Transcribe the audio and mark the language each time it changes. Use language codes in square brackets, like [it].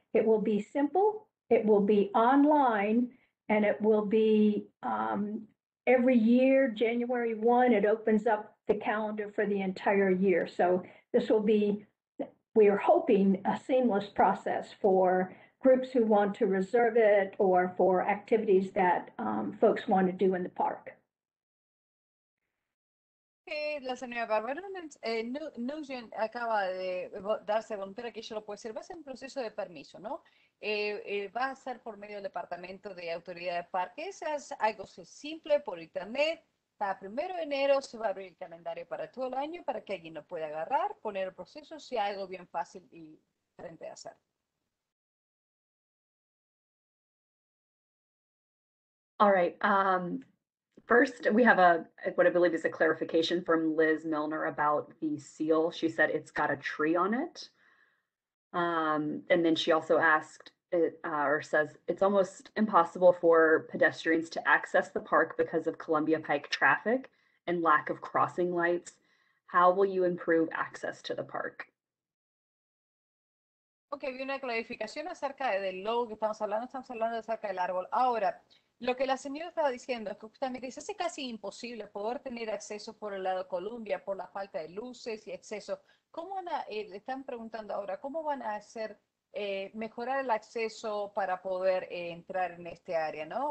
[en] It will be simple, it will be online, and it will be every year, January 1, it opens up the calendar for the entire year. So this will be, we are hoping, a seamless process for groups who want to reserve it or for activities that folks want to do in the park. [es] La señora Barbara Nugent acaba de darse cuenta que ella lo puede hacer. Va a ser un proceso de permiso, ¿no? Va a ser por medio del Departamento de Autoridad de Parques. Es algo simple por internet. Para primero de enero se va a abrir el calendario para todo el año para que alguien lo pueda agarrar, poner el proceso, sea algo bien fácil y frente a hacer. [en] All right. First, we have what I believe is a clarification from Liz Milner about the seal. She said it's got a tree on it. And then she also asked it, or says it's almost impossible for pedestrians to access the park because of Columbia Pike traffic and lack of crossing lights. How will you improve access to the park? [es] Ok, vi una clarificación acerca del logo que estamos hablando acerca del árbol. Ahora, lo que la señora estaba diciendo es que justamente se hace casi imposible poder tener acceso por el lado Columbia por la falta de luces y acceso. ¿Cómo van a, están preguntando ahora, cómo van a hacer, mejorar el acceso para poder entrar en este área, ¿no?